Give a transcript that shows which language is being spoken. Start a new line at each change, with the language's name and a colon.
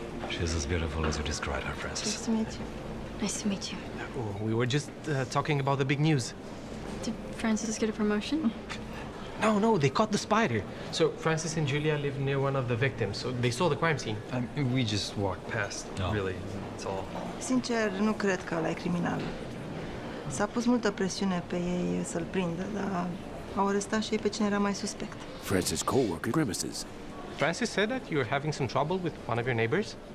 English: She's as beautiful as you described her, Francis. Nice to meet you. Nice to meet you. We were just talking about the big news. Did Francis get a promotion? No, no, they caught the spider. So Francis and Julia live near one of the victims, so they saw the crime scene. We just walked past, really. That's all.
Romanian: Sincer, nu cred că ăla e criminal. S-a pus multă presiune pe ei să-l prindă, dar au arestat și ei pe cine era mai suspect.
English: Francis' co-worker grimaces. Francis said that you're having some trouble with one of your neighbors?